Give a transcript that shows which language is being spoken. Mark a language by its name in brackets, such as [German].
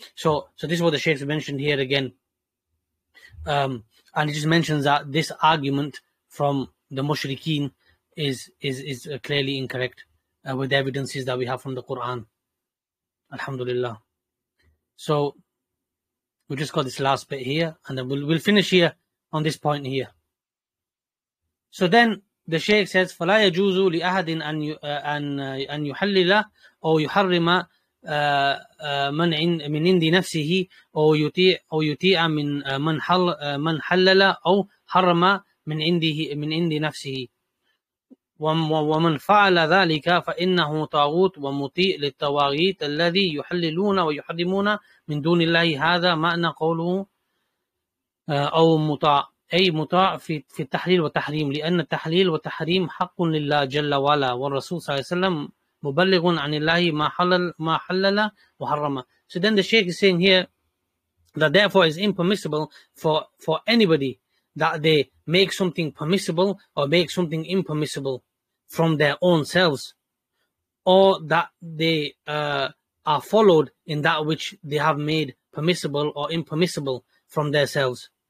[English] So this is what the Shaykh mentioned here again. And he just mentions that this argument from the mushrikeen is clearly incorrect with the evidences that we have from the Quran. Alhamdulillah. So we just got this last bit here, and then we'll finish here on this point here. So then the Shaykh says, [Arabic] فَلَا يَجُوزُ لِأَحَدٍ أَنْ يُحَلِّلَ أَوْ يُحَرِّمَ من من عند نفسه أو يطيع من من حل من حلل أو حرم من عنده من عند نفسه ومن فعل ذلك فإنه طاغوت ومطيع للطواغيت الذي يحللون ويحرمون من دون الله. هذا معنى قوله أو مطاع, أي مطاع في التحليل والتحريم, لأن التحليل والتحريم حق لله جل وعلا, والرسول صلى الله عليه وسلم مبلغون عن الله ما حلل ما حلل وحرم. [English] So then the Shaykh is saying here that therefore it's impermissible for anybody that they make something permissible or make something impermissible from their own selves, or that they are followed in that which they have made permissible or impermissible from their selves.